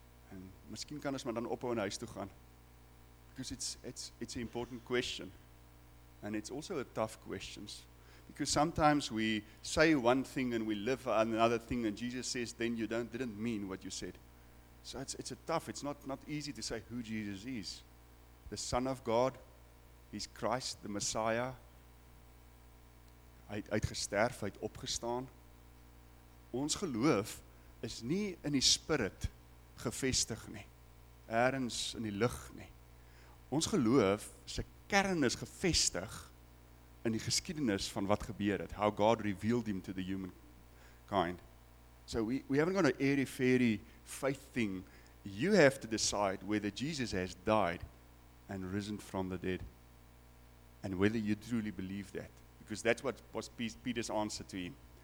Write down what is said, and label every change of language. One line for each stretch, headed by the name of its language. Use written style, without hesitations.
Afrikaans: En miskien kan ons maar dan ophou en huis toe gaan.
English: Because it's an important question, and it's also a tough question, because sometimes we say one thing and we live another thing, and Jesus says, then you didn't mean what you said. So it's not easy to say who Jesus is. The Son of God, he's Christ, the Messiah.
Afrikaans: Hy het gesterf, hy het opgestaan. Ons geloof is nie in die spirit gevestig nie, ergens in die lig nie. Ons geloof, sy kern is gevestig in die geskiedenis van wat gebeur het.
English: How God revealed him to the human kind. So we haven't got an airy-fairy faith thing. You have to decide whether Jesus has died and risen from the dead. and whether you truly believe that. Because that's what was Peter's answer to him.